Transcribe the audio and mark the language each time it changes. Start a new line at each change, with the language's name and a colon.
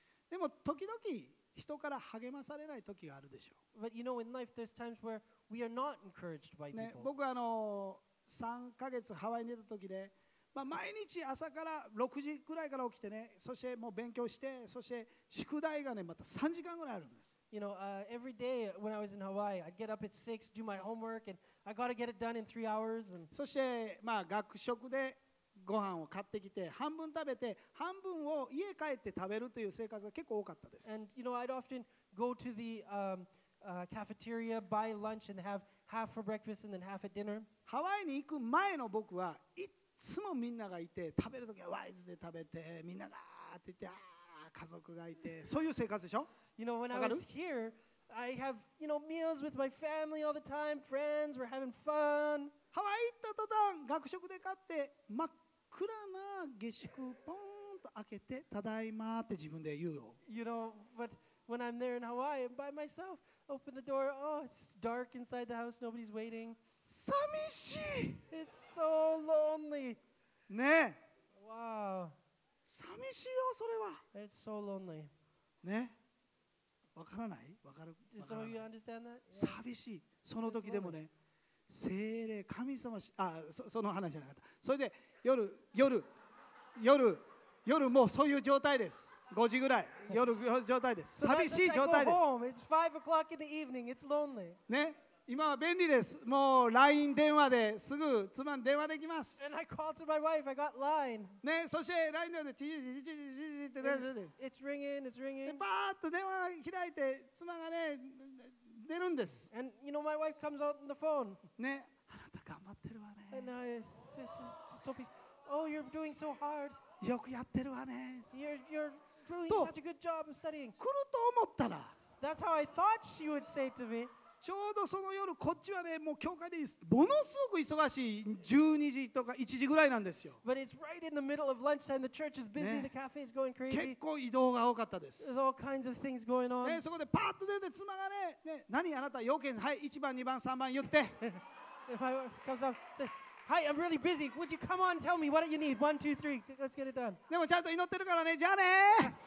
Japanese: でも時々人から励まされない時があるでしょう。
English: But you know, in life, there's times where we are not encouraged by people.
Japanese: ね、僕は3ヶ月ハワイにいた時で、まあ、毎日朝から6時くらいから起きてね、そしてもう勉強して、そして宿題がね、また3時間ぐらいあるんです。
English: You know, every day when I was in Hawaii, I'd get up at 6, do my homework, and I got to get it done in 3 hours. And
Japanese: そして、まあ、学食でご飯を買ってきて、半分食べて、半分を家帰って食べるという生活が結構多かったです。
English: And you know, I'd often go to the cafeteria, buy lunch, and have half for breakfast and then half at dinner.
Japanese: ハワイに行く前の僕はいつもみんながいて、食べるときはワイズで食べて、みんながーって言って、あー、家族がいて、そういう生活でしょ。
English: You know, when I was here, I have, you know, meals with my family all the time, friends, we're having fun.
Japanese: ハワイ行った途端、学食で買って、真っ暗な下宿、ポーンと開けて、ただいまって自分で言うよ。
English: You know, but when I'm there in Hawaii, I'm by myself, open the door, oh, it's dark inside the house, nobody's waiting.
Japanese: 寂しい。
English: It's so lonely.
Japanese: ね。
English: Wow.
Japanese: 寂しいよ、それは。
English: It's so lonely.
Japanese: ね。わからない？わかる？わからない。
English: So you understand that?
Japanese: Yeah. 寂しい。その時でもね、聖霊、神様し、あ、その話じゃなかった。それで夜もうそういう状態です。 5時ぐらい、夜状態です。寂しい状態です。
English: It's five o'clock in the evening. It's lonely.
Japanese: ね、今は便利です。もう LINE 電話ですぐ妻に電話できます。
English: And I called to my wife. I got LINE.
Japanese: ね、そして LINE 電話でチチチチチチチって鳴る。
English: It's ringing. It's ringing.
Japanese: で、パーッと電話開いて妻がね出るんです。
English: And you know my wife comes out on the phone.
Japanese: ね、あなた頑張ってるわね。
English: And I, this is so peace. Oh, you're doing so hard.
Japanese: よくやってるわね。
English: You're doing such a good job of studying.
Japanese: 来ると思ったら。
English: That's how I thought she would say to me.
Japanese: ちょうどその夜こっちはねもう教会でものすごく忙しい12時とか1時ぐらいなんですよ。
English: But it's right in the middle of lunchtime. The church is busy. The cafe is going crazy.
Japanese: 結構移動が多かったです。
English: There's all kinds of things going on.
Japanese: ねそこでパッと出て妻がねね何あなた要件はい1番2番3番言って。
English: If my wife comes up, say, "Hi, I'm really busy. Would you come on and tell me what you need? One, two, three. Let's get it done."
Japanese: でもちゃんと祈ってるからねじゃあね。